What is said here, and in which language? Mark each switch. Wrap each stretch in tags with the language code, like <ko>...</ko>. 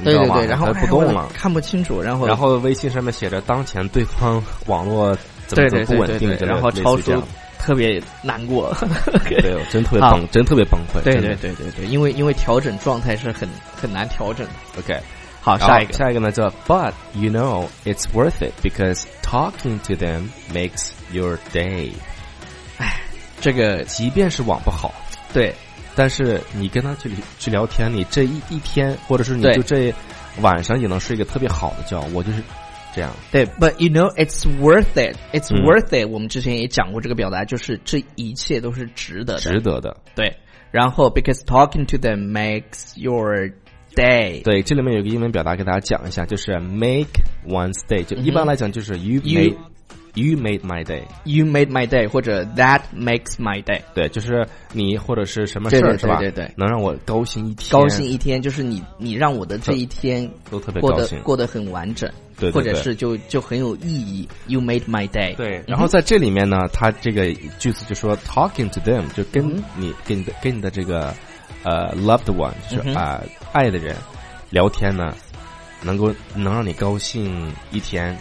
<zh>对对对，然后不动了，哎，看不清楚，然后微信上面写着当前对方网络怎么不稳定，对对对对对，然后超出特别难过。对，真特别崩，真特别崩溃。对对对对对，因为调整状态是很难调整的。</zh> <en>OK，</en> <zh>好，下一个呢叫</zh> <en>But you know it's worth it because talking to them makes your day。</en> <zh>这个即便是网不好，对，但是你跟他去聊天，你这一天或者是你就这晚上也能睡一个特别好的觉。我就是这样。对，</zh> <en>But you know it's worth it，</en> <zh>it's worth it， 我们之前也讲过这个表达，就是这一切都是值得的，值得的。对，然后</zh> <en>because talking to them makes your day。</en> <zh>对，这里面有个英文表达给大家讲一下，就是 make one's day， 就一般来讲就是</zh> <en>you made my day， you made my day，</en> <zh>或者</zh> <en>that makes my day。</en> <zh>对，就是你或者是什么事儿，是吧？对对，能让我高兴一天，高兴一天，就是你让我的这一天都特别高兴，过得很完整。对， 对， 对，或者是就很有意义，</zh> <en>you made my day。</en> <zh>对，然后在这里面呢，他这个句子就说</zh> <en>talking to them，</en> <zh>就跟你跟你的这个loved one， 就是爱的人聊天呢，能让你高兴一天，</zh>